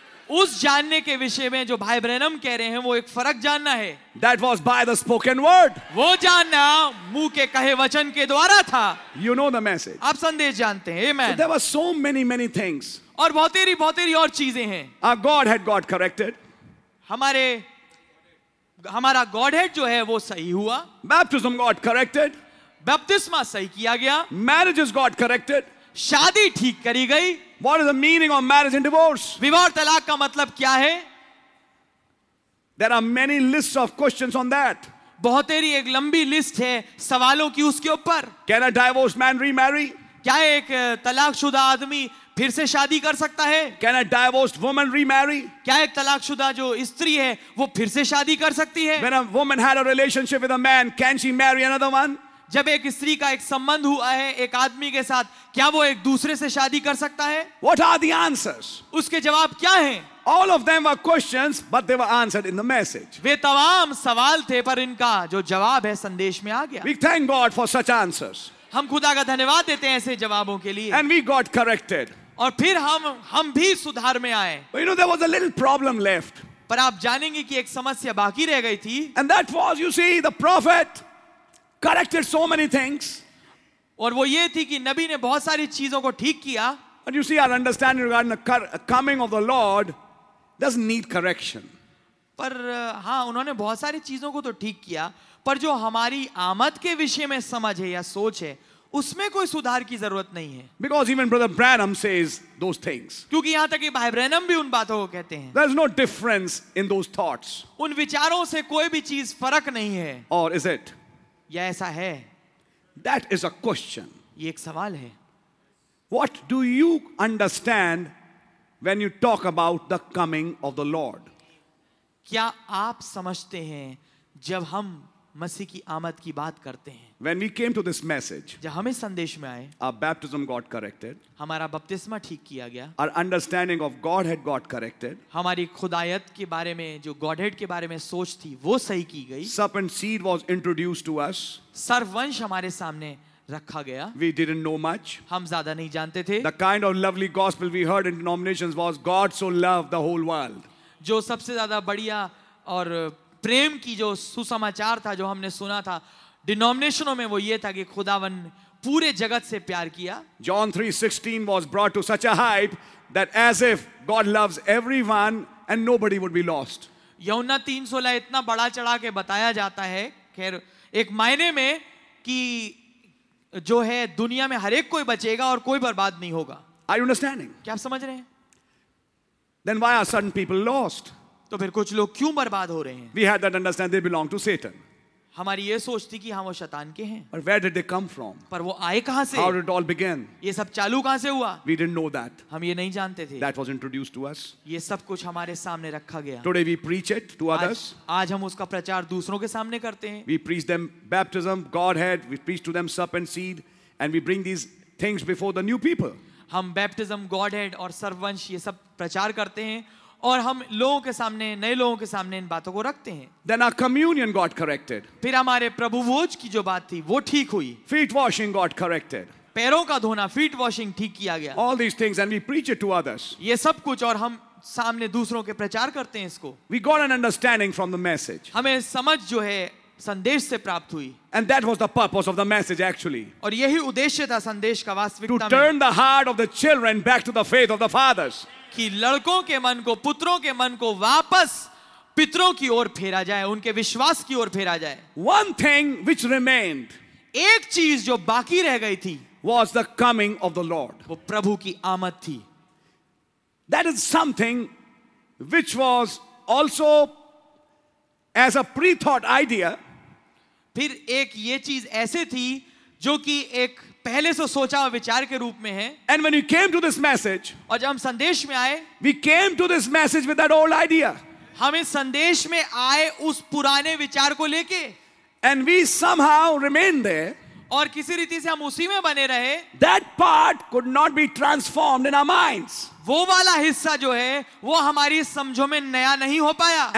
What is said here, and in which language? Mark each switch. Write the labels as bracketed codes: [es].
[hi] उस जानने के विषय में जो भाई ब्रैनम कह रहे हैं वो एक फर्क जानना है. [en] That was by the spoken word. [hi] वो जानना मुंह के कहे वचन के द्वारा था. [en] You know the message. [hi] आप संदेश जानते हैं. Amen. [en] So there were so many, many things. [hi] और बहुत तेरी और चीजें हैं. [en] Our God had got corrected. [hi] हमारा Godhead जो है वो सही हुआ. [en] Baptism got corrected. [hi] बपतिस्मा सही किया गया. [en] Marriages got corrected. [hi] शादी ठीक करी गई. [en] What is the meaning of marriage and divorce? [hi] विवाह और तलाक का मतलब क्या है? [en] There are many lists of questions on that. [hi] बहुत तेरी एक लंबी लिस्ट है सवालों की उसके ऊपर. [en] Can a divorced man remarry? [hi] क्या एक तलाकशुदा आदमी फिर से शादी कर सकता है? [en] Can a divorced woman remarry? [hi] क्या एक तलाकशुदा जो स्त्री है वो फिर से शादी कर सकती है? [en] When a woman had a relationship with a man, can she marry another one? [hi] जब एक स्त्री का एक संबंध हुआ है एक आदमी के साथ क्या वो एक दूसरे से शादी कर सकता है? [en] What are the answers? [hi] उसके जवाब क्या हैं? [en] All of them were questions, but they were answered in the message. [hi] वे तमाम सवाल थे पर इनका जो जवाब है संदेश में आ गया. [en] We thank God for such answers. [hi] हम खुदा का धन्यवाद देते हैं ऐसे जवाबों के लिए. [en] And we got corrected. [hi] और फिर हम भी सुधार में आए. [en] But you know, there was a little problem left. [hi] पर आप जानेंगे कि एक समस्या बाकी रह गई थी. [en] And that was, you see, the prophet corrected so many things. [hi] और वो ये थी कि नबी ने बहुत सारी चीजों को ठीक किया. [en] But you see, our understanding regarding the coming of the Lord doesn't need correction. [hi] पर हाँ, उन्होंने बहुत सारी चीजों को तो ठीक किया, पर जो हमारी आमद के विषय में समझ है या सोच है उसमें कोई सुधार की जरूरत नहीं है. [en] Because even Brother Branham says those things. [hi] क्योंकि यहाँ तक कि भाई ब्रैनम भी उन बातों को कहते हैं. [en] There's no difference in those thoughts. [hi] उन विचारों से कोई भी चीज फर्क नहीं है. [en] Or is it? [hi] या ऐसा है? [en] That is a question. [hi] ये एक सवाल है. [en] What do you understand when you talk about the coming of the Lord? [hi] क्या आप समझते हैं जब हम मसीह की आमद की बात करते हैं? [en] When we came to this message, [hi] जब हमें संदेश में आए, [en] our baptism got corrected. [hi] हमारा बपतिस्मा ठीक किया गया. [en] Our understanding of Godhead got corrected. [hi] हमारी खुदायत के बारे में जो Godhead के बारे में सोच थी वो सही की गई. [en] Serpent seed was introduced to us. [hi] सर्प वंश हमारे सामने रखा गया. [en] We didn't know much. [hi] हम ज़्यादा नहीं जानते थे. [en] The kind of lovely gospel we heard in denominations was God so loved the whole world. [hi] जो सबसे ज़्यादा बढ़िया और प्रेम की जो सुसमाचार था जो हमने सुना था डिनोमिनेशनों में वो ये था कि खुदावन पूरे जगत से प्यार किया. [en] John 3:16 was brought to such a height that as if God loves everyone and nobody would be lost. [hi] यूहन्ना 3:16 इतना बड़ा चढ़ा के बताया जाता है, खैर एक मायने में कि जो है दुनिया में हर एक कोई बचेगा और कोई बर्बाद नहीं होगा. [en] Are you understanding? [hi] क्या आप समझ रहे हैं? [en] Then why are certain people lost? [hi] तो फिर कुछ लोग क्यों बर्बाद हो रहे हैं? [en] We had that understanding they belong to Satan. [hi] हमारी ये सोच थी कि हाँ वो शैतान के हैं. [en] But where did they come from? [hi] पर वो आए कहाँ से? [en] How did it all begin? [hi] ये सब चालू कहाँ से हुआ? [en] We didn't know that. [hi] हम ये नहीं जानते थे. [en] That was introduced to us. [hi] ये सब कुछ हमारे सामने रखा गया. [en] Today we preach it to others. [hi] आज हम उसका प्रचार दूसरों के सामने करते हैं. [en] We preach them baptism, Godhead. We preach to them serpent seed, and we bring these things before the new people. [hi] हम baptism, Godhead और सर्वंश ये सब प्रचार करते हैं और हम लोगों के सामने नए लोगों के सामने इन बातों को रखते हैं. [en] Then our communion got corrected. [hi] फिर हमारे प्रभु भोज की जो बात थी वो ठीक हुई. [en] Feet washing got corrected. [hi] पैरों का धोना, feet washing ठीक किया गया. [en] All these things and we preach it to others. [hi] ये सब कुछ और हम सामने दूसरों के प्रचार करते हैं इसको. [en] We got an understanding from the message. [hi] हमें समझ जो है संदेश से प्राप्त हुई. [en] And that was the purpose of the message actually. [hi] और यही उद्देश्य था संदेश का वास्तविकता में. [en] To turn the heart of the children back to the faith of the fathers. [hi] कि लड़कों के मन को, पुत्रों के मन को वापस पितरों की ओर फेरा जाए, उनके विश्वास की ओर फेरा जाए. [en] One thing which remained. [hi] एक चीज जो बाकी रह गई थी. [en] Was the coming of the Lord. [hi] वो प्रभु की आमद थी. [en] That is something which was also as a pre-thought idea. [hi] फिर एक ये चीज ऐसे थी जो कि एक पहले से सोचा हुआ विचार के रूप में है. [en] And when we came to this message, [hi] और जब हम संदेश में आए, [en] we came to this message with that old idea. [hi] हमें संदेश में आए उस पुराने विचार को लेके. [en] And we somehow remained there. [hi] और किसी रीति से हम उसी में बने रहे. [en] That part could not be transformed in our minds. [hi] वो वाला हिस्सा जो है वो हमारी समझों में नया नहीं हो पाया.